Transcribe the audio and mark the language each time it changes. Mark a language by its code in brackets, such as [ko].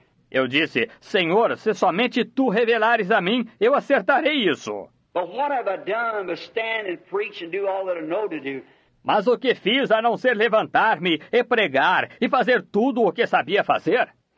[pt] Eu disse, Senhor, se somente Tu revelares a mim, eu acertarei isso. [en] But what have I done but stand and preach and do all that I know to do? [pt] Mas o que fiz a não ser levantar-me e pregar e fazer tudo o que sabia fazer?